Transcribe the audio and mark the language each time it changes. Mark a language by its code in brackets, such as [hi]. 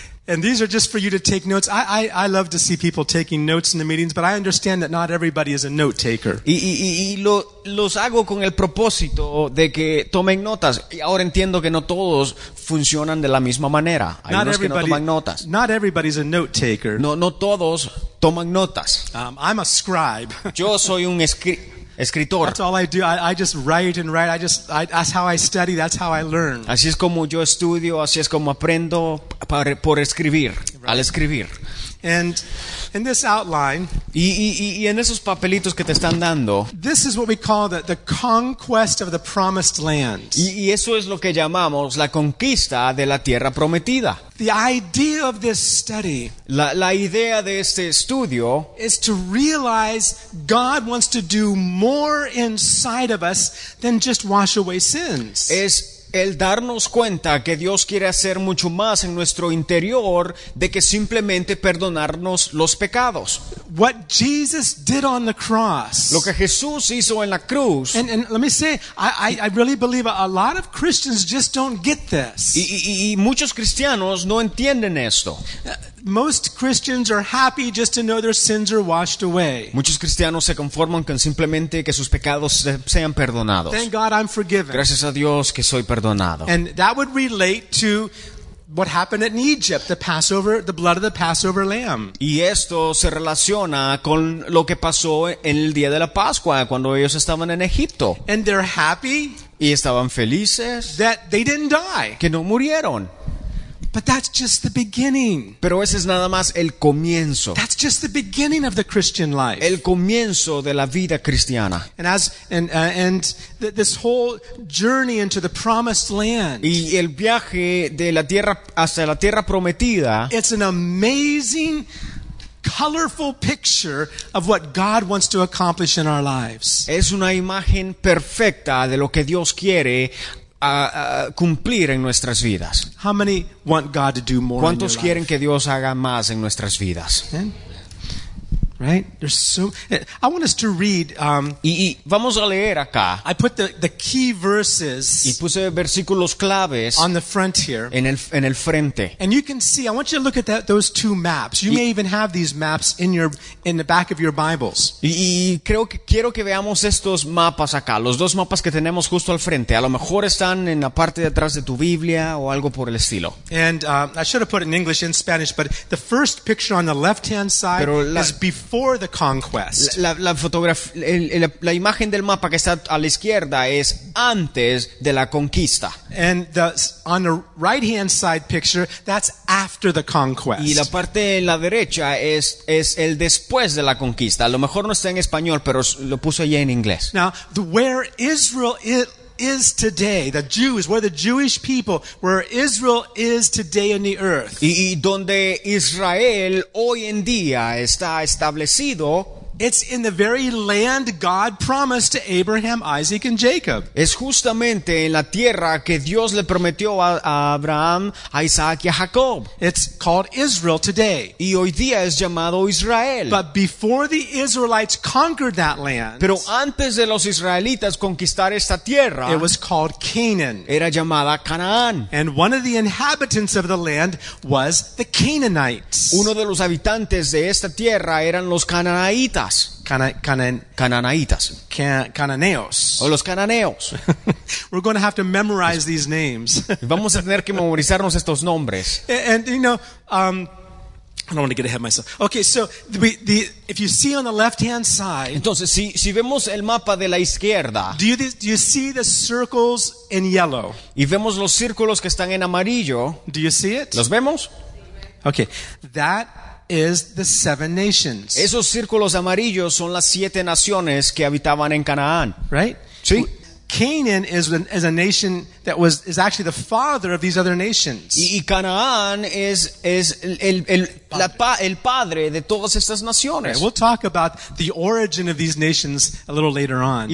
[en] And these are just for you to take notes. I love to see people taking notes in the meetings, but I understand that not everybody is a note taker. [es] Y los hago con el propósito de que tomen notas. Y ahora entiendo que no todos funcionan de la misma manera. Hay [en] not [es] unos que no toman notas. [en] Not everybody's a note taker. [es] No todos toman notas. [en] I'm a scribe. [es] Yo soy un escritor. [en] That's all I do. I just write and write. That's how I study. That's how I learn. [es] Así es como yo estudio. Así es como aprendo por escribir. [en] Right. [es] Al escribir. [en] And in this outline. [es] Y en esos papelitos que te están dando. [en] This is what we call the conquest of the promised land. [es] Y eso es lo que llamamos la conquista de la tierra prometida. [en] The idea of this study. [es] La idea de este estudio [en] is to realize God wants to do more inside of us than just wash away sins. [es] Es el darnos cuenta que Dios quiere hacer mucho más en nuestro interior de que simplemente perdonarnos los pecados. [en] What Jesus did on the cross. [es] Lo que Jesús hizo en la cruz. [en] And let me say, I really believe a lot of Christians just don't get this. [es] Y muchos cristianos no entienden esto. [en] Most Christians are happy just to know their sins are washed away. [es] Muchos cristianos se conforman con simplemente que sus pecados sean perdonados. [en] Thank God I'm forgiven. [es] Gracias a Dios que soy perdonado. [en] And that would relate to what happened in Egypt, the Passover, the blood of the Passover lamb. [es] Y esto se relaciona con lo que pasó en el día de la Pascua cuando ellos estaban en Egipto. [en] And they're happy. [es] Y estaban felices. [en] That they didn't die. [es] Que no murieron. [en] But that's just the beginning. [es] Pero ese es nada más el comienzo. [en] That's just the beginning of the Christian life. [es] El comienzo de la vida cristiana. [en] And this whole journey into the promised land. [es] Y el viaje de la tierra hasta la tierra prometida. [en] It's an amazing, colorful picture of what God wants to accomplish in our lives. [es] Es una imagen perfecta de lo que Dios quiere a cumplir en nuestras vidas. [en] How many want God to do more? [es] ¿Cuántos [en] in life? [es] Que Dios haga más en nuestras vidas? [en] Yeah. Right? There's so I want us to read [es] y vamos a leer acá. [en] I put the key verses. [es] Y puse versículos claves [en] on the front here. [es] En el frente. [en] And you can see, I want you to look at those two maps. You may even have these maps in the back of your Bibles. [es] Y creo que quiero que veamos estos mapas acá, los dos mapas que tenemos justo al frente. A lo mejor están en la parte de atrás de tu Biblia o algo por el estilo. [en] And I should have put it in English and Spanish, but the first picture on the left-hand side is before the conquest. [es] La imagen del mapa que está a la izquierda es antes de la conquista. [en] And the on the right-hand side picture, that's after the conquest. [es] Y la parte en la derecha es el después de la conquista. A lo mejor no está en español, pero lo puse allí en inglés. [en] Now, where Israel is today, the Jews, where the Jewish people, where Israel is today in the earth. [es] Y donde Israel hoy en día está establecido. [en] It's in the very land God promised to Abraham, Isaac, and Jacob. [es] Es justamente en la tierra que Dios le prometió a Abraham, a Isaac y a Jacob. [en] It's called Israel today. [es] Y hoy día es llamado Israel. [en] But before the Israelites conquered that land, [es] pero antes de los israelitas conquistar esta tierra, [en] it was called Canaan. [es] Era llamada Canaán. [en] And one of the inhabitants of the land was the Canaanites. [es] Uno de los habitantes de esta tierra eran los Canaanites. Cananaitas. Cananeos. O los cananeos. [en] We're going to have to memorize these names. [es] Vamos a tener que memorizarnos estos nombres. [en] I don't want to get ahead of myself. Okay, so the if you see on the left-hand side. [es] Entonces, si vemos el mapa de la izquierda. [en] Do you see the circles in yellow? [es] Y vemos los círculos que están en amarillo. [en] Do you see it? [es] ¿Los vemos? [en] Okay, that is the seven nations. [es] Esos círculos amarillos son las siete naciones que habitaban en Canaán. [en] Right? [es] Sí. [en] Canaan is a nation that is actually the father of these other nations. [es] Y Canaán es el padre de todas estas naciones. [en] Okay, we'll talk about the origin of these nations a little later on.